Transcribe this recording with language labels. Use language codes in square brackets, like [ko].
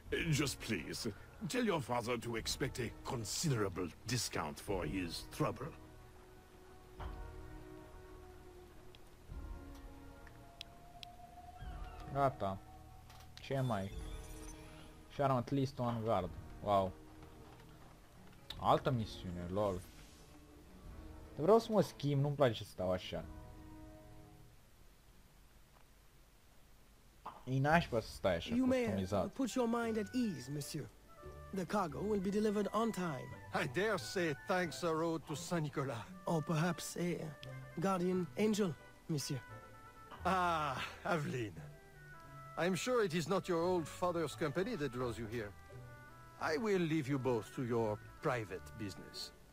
[en] Just please, tell your father to expect a considerable discount for his trouble. [ro] Gata. Ce mai? [en] Sharm at least one guard. [ro] Wow. Altă misiune, lol. Vreau să mă schimb, nu-mi place să stau așa. E nașpa să stai așa, customizat. [en] Put your mind at ease, monsieur. The cargo will be delivered on time. I dare say thanks are owed to Saint Nicolas. Or perhaps a guardian angel, monsieur. Ah, Aveline. I'm sure it is not your old father's company that draws you here. I will leave you both to your private business.